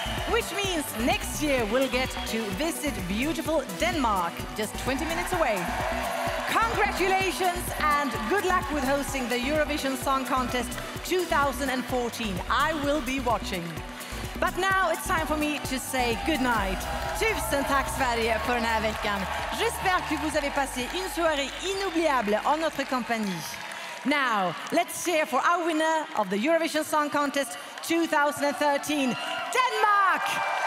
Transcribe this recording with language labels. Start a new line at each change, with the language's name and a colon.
English: Which means next year we'll get to visit beautiful Denmark, just 20 minutes away. Congratulations and good luck with hosting the Eurovision Song Contest 2014. I will be watching. But now it's time for me to say goodnight.
Swedish: Tusen tack Sverige för den här veckan.
French: J'espère que vous avez passé une soirée inoubliable en notre compagnie.
English: Now, let's cheer for our winner of the Eurovision Song Contest 2013, Denmark!